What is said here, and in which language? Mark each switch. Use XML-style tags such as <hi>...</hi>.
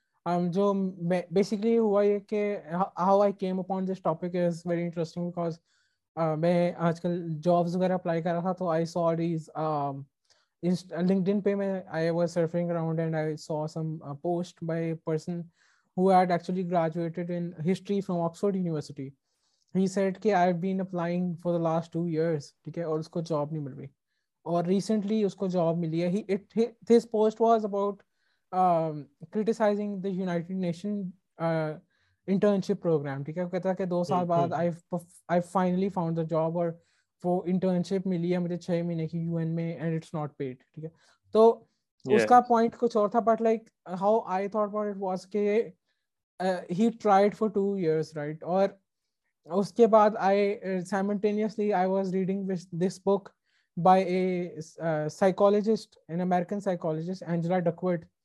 <en>basically</en> <hi>हुआ ये कि</hi> <en>how I came upon this topic is very interesting because</en> <hi>मैं आजकल jobs वगैरह apply कर रहा था, तो</hi> <en>I saw these LinkedIn</en> <hi>पे मैं</hi> <en>I was surfing around and I saw some post by a person who had actually graduated in history from Oxford University. He said</en> <hi>कि</hi> <en>I've been applying for the last 2 years,</en> <hi>ठीक है, और उसको job नहीं मिल रही, और recently उसको job मिली है.</hi> <en>This post was about criticizing the United Nations internship program.</en> <hi>ठीक है, कहता है कि 2 साल बाद</hi> <en>I finally found the job</en> <hi>और वो internship मिली है मुझे 6 महीने की UN में</hi> <en>and it's not paid.</en> <hi>ठीक है, तो उसका point कुछ और था,</hi> <en>but like how I thought about it was कि he tried for 2 years, right?</en> <hi>और उसके बाद</hi> <en>I simultaneously I was reading this book by a psychologist, an American psychologist, Angela Duckworth.</en>